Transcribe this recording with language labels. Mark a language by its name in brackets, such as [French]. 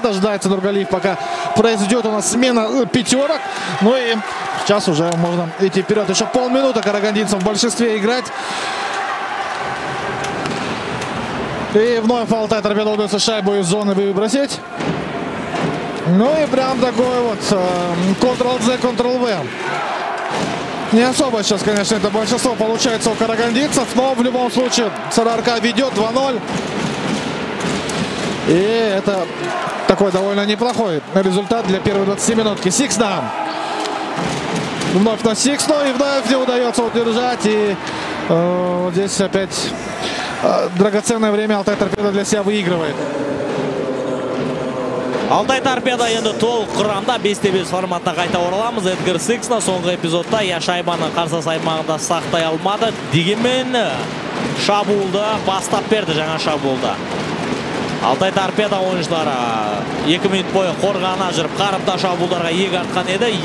[Russian] Дожидается Нургалиев, пока произойдет у нас смена пятерок. Ну и сейчас уже можно идти вперед. Еще полминуты карагандинцам в большинстве играть. И вновь Алтай торпедовывается шайбу из зоны выбросить. Ну и прям такой вот Ctrl-Z, Ctrl-V. Не особо сейчас, конечно, это большинство получается у карагандинцев, но в любом случае Сарарка ведет 2-0. И это такой довольно неплохой результат для первой 20 минутки. Сиксна. Вновь на Сиксну и вновь не удается удержать. И вот здесь опять драгоценное время Алтай Торпедо для себя выигрывает. [Kazakh] Алтай Торпедо енді толық құрамда 5-5 форматына қайта ораламыз. Эдгар Сиксна соңғы эпизодта я шайбаны қарсыз аймағында сақтай алмады. Дегенмен шабуылды бастап берді жаңа шабуылды. Алтай Торпедо ойыншылары 2 минут бойы қорғана жүріп, қарымта шабуылдарға иек артқан еді.